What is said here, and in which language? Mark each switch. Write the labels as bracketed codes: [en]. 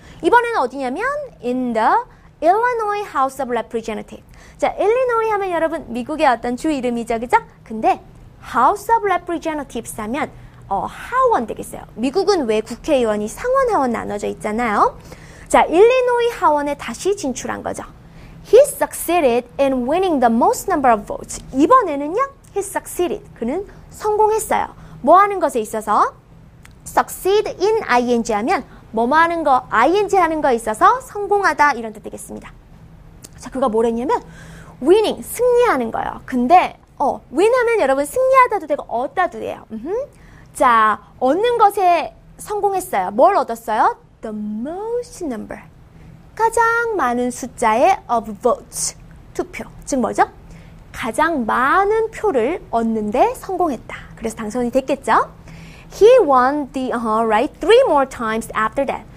[ko] 이번에는 어디냐면 [en] in the Illinois House of Representatives. [ko] 자, Illinois 하면 여러분 미국의 어떤 주 이름이죠, 그죠? 근데 House of Representatives 하면 하원 되겠어요. 미국은 왜 국회의원이 상원 하원 나눠져 있잖아요. 자, Illinois 하원에 다시 진출한 거죠. [en] He succeeded in winning the most number of votes. [ko] 이번에는요, [en] he succeeded. [ko] 그는 성공했어요. 뭐 하는 것에 있어서? Succeed in ing 하면 뭐뭐 하는 거, ing 하는 거 있어서 성공하다 이런 뜻 되겠습니다. 자, 그가 뭘 했냐면 winning, 승리하는 거예요. 근데 win 하면 여러분 승리하다도 되고 얻다도 돼요. 자, 얻는 것에 성공했어요. 뭘 얻었어요? [en] The most number. [ko] 가장 많은 숫자의 [en] of votes. [ko] 투표. 즉 뭐죠? 가장 많은 표를 얻는 데 성공했다. 그래서 당선이 됐겠죠? [en] He won the right three more times after that.